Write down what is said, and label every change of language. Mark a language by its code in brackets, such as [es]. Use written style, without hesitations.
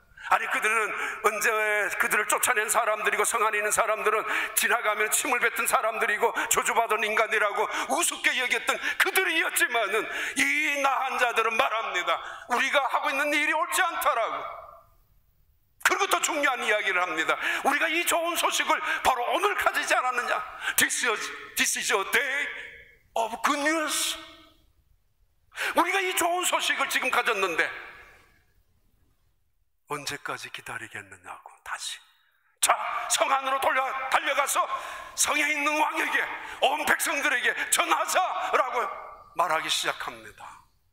[ko] 아니 그들은 언제 그들을 쫓아낸 사람들이고 성 안에 있는 사람들은 지나가면 침을 뱉은 사람들이고 저주받은 인간이라고 우습게 여겼던 그들이었지만은 이 나한자들은 말합니다. 우리가 하고 있는 일이 옳지 않다라고. 그리고 더 중요한 이야기를 합니다. 우리가 이 좋은 소식을 바로 오늘 가지지 않았느냐. [en] This is a day of good news. [ko] 우리가 이 좋은 소식을 지금 가졌는데 언제까지 기다리겠느냐고. 다시 자 성 안으로 달려가서 성에 있는 왕에게 온 백성들에게 전하자라고 말하기 시작합니다.